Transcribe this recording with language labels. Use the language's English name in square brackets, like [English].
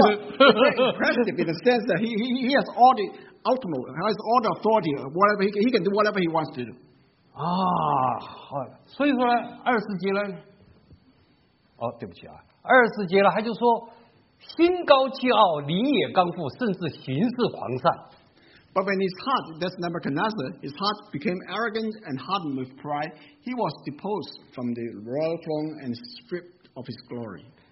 [English] impressive in the sense that he has all the ultimate, has all the authority, whatever he can do whatever he wants to do. [Chinese] 啊，好，所以说呢，二十节呢，哦，对不起啊，二十节了，他就说，心高气傲，灵也刚固，甚至行事狂散。 [English] But when his heart, that's Nebuchadnezzar, his heart became arrogant and hardened with pride, he was deposed from the royal throne and stripped of his glory.